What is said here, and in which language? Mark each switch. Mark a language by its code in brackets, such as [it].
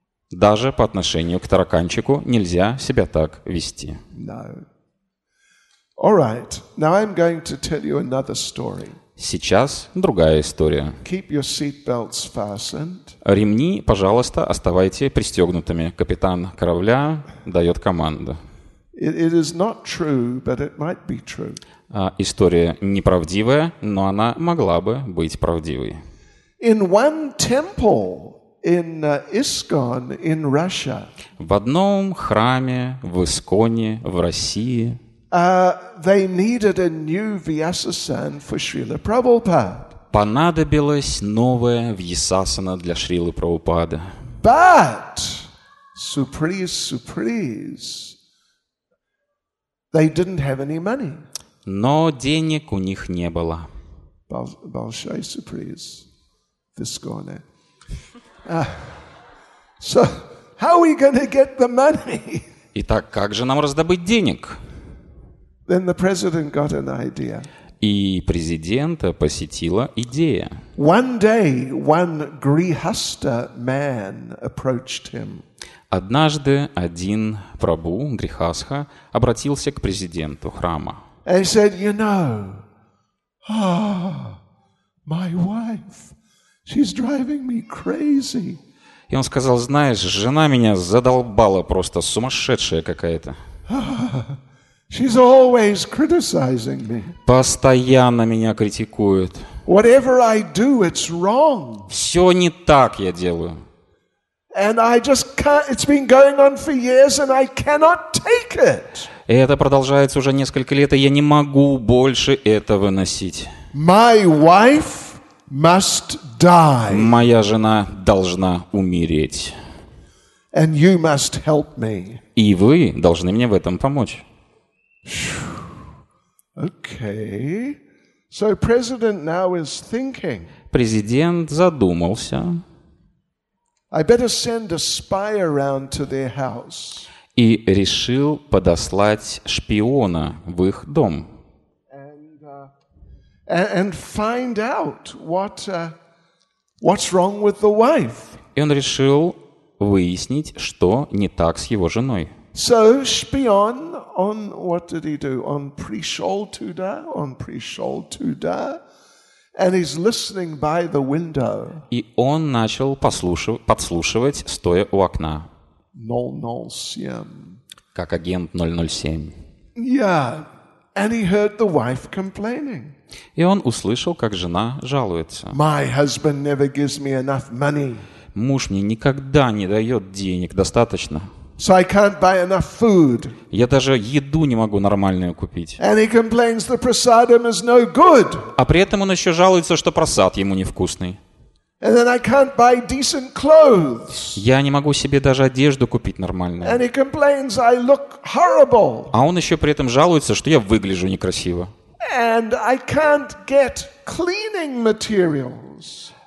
[ru] Даже по отношению к тараканчику нельзя себя так вести. [en] No. All right. Now I'm going to tell you another story. [ru] Сейчас другая история. [en] Keep your seat belts fastened. [ru] Ремни, пожалуйста, оставайте пристегнутыми. Капитан корабля дает команду. [en] It is not true, but it might be true. [ru] История неправдивая, но она могла бы быть правдивой. [en] In one temple in Iskon in Russia. [ru] В одном храме в Исконе в России. [en] They needed a new Vyasasana for Srila Prabhupada. [ru] Понадобилась новая Вьясасана для Шрилы Прабхупады. [en] But surprise, they didn't have any money. [ru] Но денег у них не было. Большой сюрприз в Исконе. [en] So how are we going to get the money? [ru] Итак, как же нам раздобыть денег? [en] Then the president got an idea. [ru] И президента посетила идея. [en] One day, one grihastha man approached him. [ru] Однажды один прабу, грихасха, обратился к президенту храма. [en] And he said, you know, oh, my wife. She's driving me crazy. [ru] И он сказал, знаешь, жена меня задолбала просто, сумасшедшая какая-то. [en] She's always criticizing me. [ru] Постоянно меня критикует. [en] Whatever I do, it's wrong. [ru] Все не так я делаю. [en] And I just can't, it's been going on for years and I cannot take it. [ru] И это продолжается уже несколько лет, и я не могу больше это выносить. [en] My wife must die. [ru] Моя жена должна умереть. [en] And you must help me. [ru] И вы должны мне в этом помочь. [en] Okay. So president now is thinking. [ru] Президент задумался. [en] I better send a spy around to their house. [ru] И решил подослать шпиона в их дом. [en] And find out what's wrong with the wife. [ru] И он решил выяснить, что не так с его женой. [en] So shpion on what did he do on Prishol Tuda, and he's listening by the window. [ru] И он начал подслушивать, стоя у окна. [en] 007. [ru] Как агент 007. [en] Yeah, and he heard the wife complaining. [ru] И он услышал, как жена жалуется. [en] My husband never gives me enough money. [ru] Муж мне никогда не дает денег достаточно. [en] So I can't buy enough food. [ru] Я даже еду не могу нормальную купить. [en] And he complains the prasadam is no good. [ru] А при этом он еще жалуется, что просад ему невкусный. [en] And then I can't buy decent clothes. [ru] Я не могу себе даже одежду купить нормальную. [en] And he complains I look horrible. [ru] А он еще при этом жалуется, что я выгляжу некрасиво. [en] And I can't get cleaning materials.